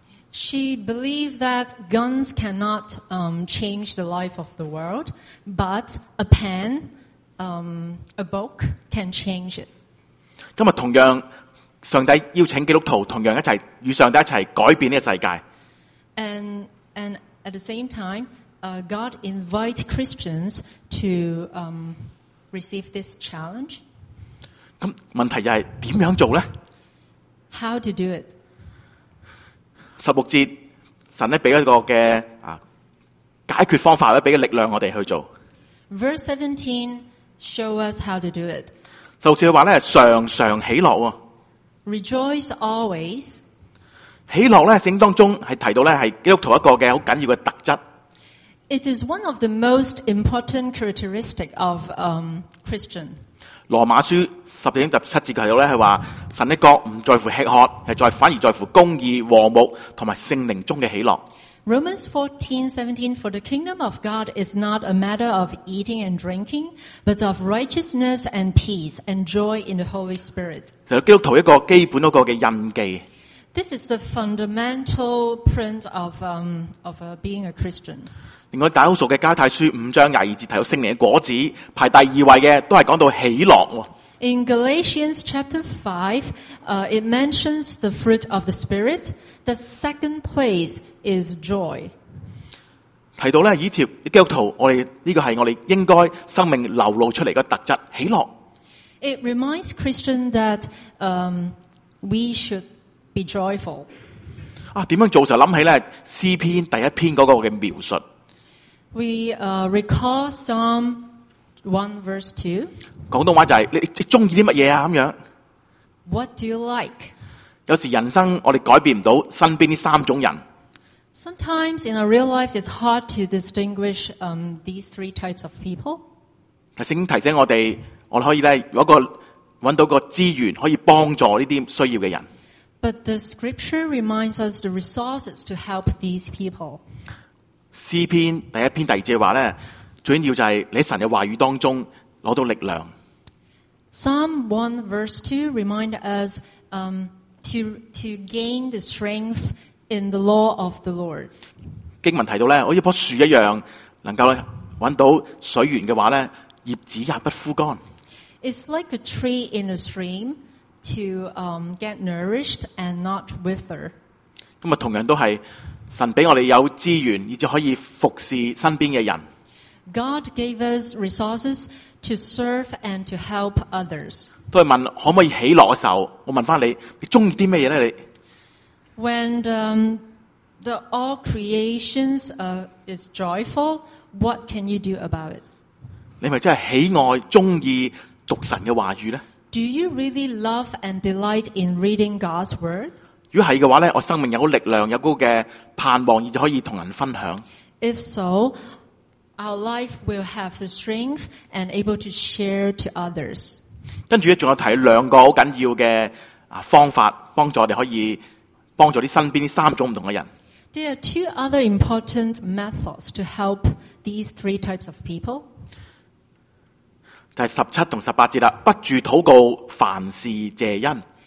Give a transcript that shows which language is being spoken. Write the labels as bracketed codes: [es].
[en] She believed that guns cannot change the life of the world, but a pen, a book can change it. [yue] 今日同样，上帝邀请基督徒同样一齐与上帝一齐改变呢个世界。 [en] And at the same time, God invites Christians to receive this challenge. [yue] 咁问题就系点样做咧 [en] ？How to do it？ [yue] 十六节，神咧俾一个嘅啊解决方法咧，俾个力量我哋去做。 [en] Verse 17 show us how to do it。 [yue] 十六节话咧，常常喜乐。 [en] Rejoice always。 [yue] 喜乐咧，圣经当中系提到咧，系基督徒一个嘅好紧要嘅特质。 [en] It is one of the most important characteristic of Christian。 [yue] 罗马书14:17提到咧，系话神的国唔在乎吃喝，反而在乎公义、和睦同埋圣灵中嘅喜乐。 [en] Romans 14:17 For the kingdom of God is not a matter of eating and drinking, but of righteousness and peace and joy in the Holy Spirit。 [yue] 就系基督徒一个基本嗰个嘅印记。 [en] This is the fundamental print of being a Christian。 [yue] 另外，大家好熟嘅加泰书5:22提到圣灵嘅果子，排第二位嘅都系讲到喜乐。 [en] In Galatians 5, it mentions the fruit of the spirit. The second place is joy. [yue] 提到咧，以前基督徒，我哋呢个系我哋应该生命流露出嚟嘅特质，喜乐。 [en] It reminds Christians that we should be joyful. [yue] 啊，点样做就谂起咧诗篇第一篇嗰个嘅描述。 [en] We recall Psalm 1:2. [yue] 广东话就系你中意啲乜嘢啊？咁样。 [en] What do you like？ [yue] 有时人生我哋改变唔到身边呢三种人。 [en] Sometimes in our real life, it's hard to distinguish these three types of people。 [yue] 提醒提醒我哋，我可以咧有一个揾到个资源可以帮助呢啲需要嘅人。 [en] But the scripture reminds us the resources to help these people。 [yue] 诗篇第一篇第二节话咧，最紧要就系你神嘅话语当中攞到力量。 [en] Psalm 1:2 remind us to gain the strength in the law of the Lord。 [yue] 经文提到咧，好似棵树一样，能够揾到水源嘅话咧，叶子也不枯干。 [en] It's like a tree in a stream to get nourished and not wither。 [yue] 咁啊，同样都系。神俾我哋有资源，以至可以服侍身边嘅人。 [en] God gave us resources to serve and to help others。 [yue] 都系问可唔可以喜乐嘅时候，我问翻你，你中意啲咩嘢咧？你 [en] When the all creations is joyful, what can you do about it？ [yue] 你咪真系喜爱、中意读神嘅话语呢？ [en] Do you really love and delight in reading God's word? [yue] 如果系嘅话呢，我生命有力量，有嗰个嘅盼望，而就可以同人分享。 [en] If so, our life will have the strength and able to share to others. [yue] 跟住咧，仲有提两个好紧要嘅方法，帮助我哋可以帮助啲身边啲三种唔同嘅人。 [en] There are two other important methods to help these three types of people. [yue] 就系17同18节啦，不住祷告，凡事谢恩。